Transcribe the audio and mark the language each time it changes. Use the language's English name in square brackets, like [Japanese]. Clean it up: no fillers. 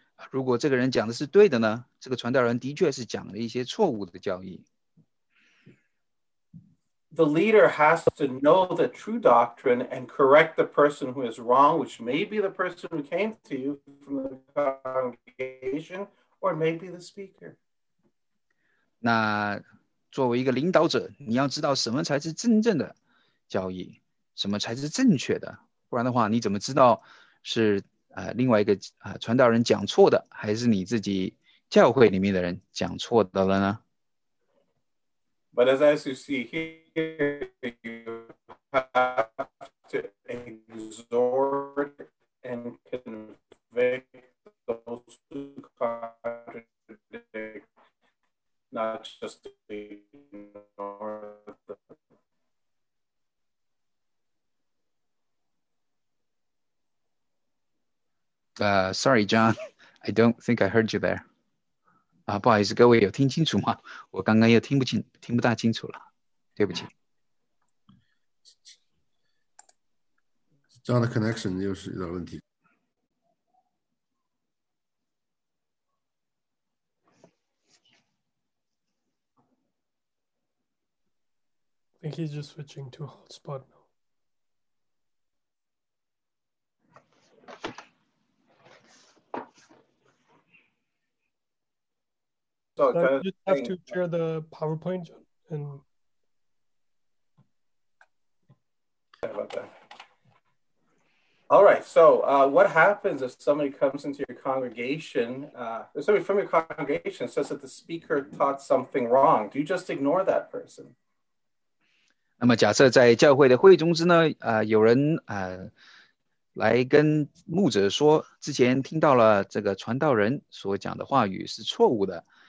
[Chinese] 如果这个人讲的是对的呢？这个传道人的确是讲了一些错误的教义。 [English] The leader has to know the true doctrine and correct the person who is wrong, which may be the person who came to you from the congregation, or maybe the speaker. [Chinese] 那作为一个领导者，你要知道什么才是真正的教义，什么才是正确的，不然的话，你怎么知道是、另外一个、传道人讲错的，还是你自己教会里面的人讲错的了呢？ [English] But as you see here, you have to exhort and convict those who contradict, not just ignore them. Sorry, John, I don't think I heard you there. [Chinese] 不好意思，各位有听清楚吗？我刚刚又听不大清楚了，对不起。 John的 connection 又是有点问题。 [English] I think he's just switching to hotspot now. All right, so what happens if somebody comes into your congregation, if somebody from your congregation says that the speaker taught something wrong? Do you just ignore that person? [Chinese] 那么假设在教会的会中之呢，有人来跟牧者说，之前听到了这个传道人所讲的话语是错误的。